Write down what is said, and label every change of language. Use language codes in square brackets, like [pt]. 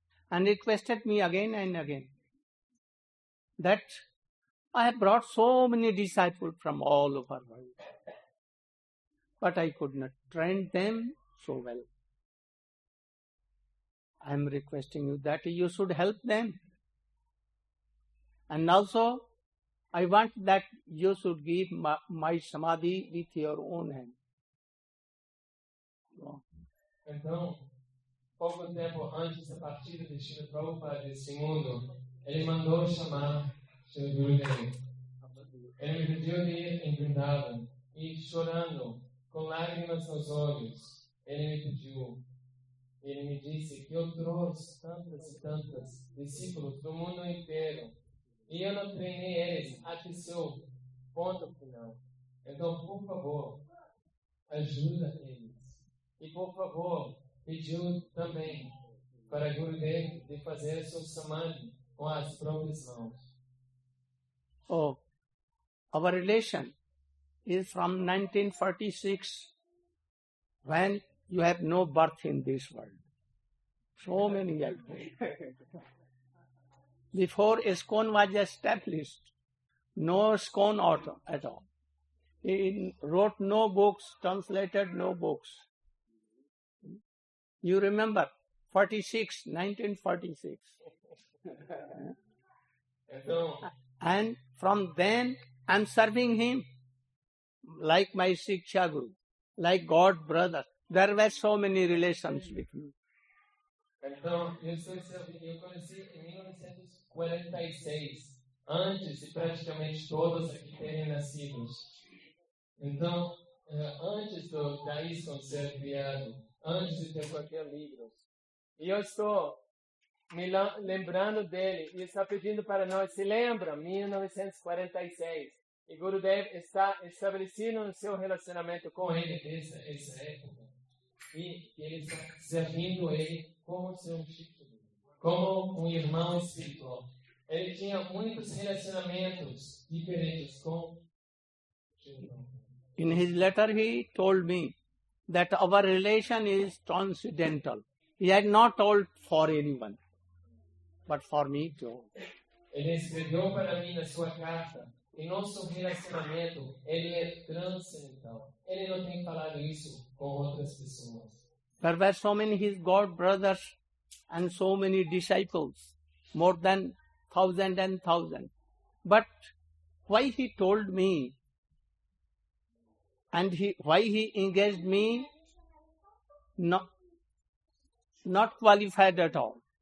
[en] And requested me again and again that I have brought so many disciples from all over the world, but I could not train them so well. I am requesting you that you should help them. And also, I want that you should give my samadhi with your own hand. [pt] Então, pouco tempo antes da partida de Srila Prabhupada desse mundo, ele mandou chamar ele me pediu de ir em Vrindavan e chorando, com lágrimas nos olhos, ele me disse que eu trouxe tantas e tantas discípulos do mundo inteiro e eu não treinei eles até seu ponto final. Então, por favor, ajuda eles. E por favor, pediu também para Gurudev de fazer seu samadhi com as próprias mãos. [en] Oh, our relation is from 1946, when you have no birth in this world. So many years. Before ISKCON was established, no ISKCON at all. He wrote no books, translated no books. You remember, 1946. And from then, I'm serving him like my Siksha Guru, like God brother. There were so many relations with me. [pt] Então, eu estou servindo. Eu conheci em 1946, antes de praticamente todos aqui terem nascido. Então, antes do ISKCON ser criado, antes de ter qualquer livro. E eu estou me lembrando dele, e está pedindo para nós, se lembra, 1946, e Gurudev está estabelecendo o seu relacionamento com ele nessa época, e ele está servindo ele como seu título, como um irmão espiritual. Ele tinha muitos relacionamentos diferentes com ele. [en] In his letter he told me that our relation is transcendental. He had not told for anyone. But for me too. [pt] Ele escreveu para mim na sua carta que nosso relacionamento ele é transcendental. Ele não tem falado isso com outras pessoas. [en] There were so many his God brothers and so many disciples, more than thousand and thousand. But why he told me and why he engaged me, not qualified at all.